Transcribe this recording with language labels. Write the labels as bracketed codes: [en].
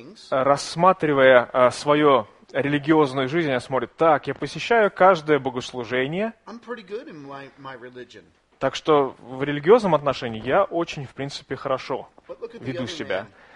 [ru] Рассматривая свою религиозную жизнь, они смотрят: «Так, я посещаю каждое богослужение. [en] I'm pretty good in my religion. [ru] Так что в религиозном отношении я очень, в принципе, хорошо веду себя».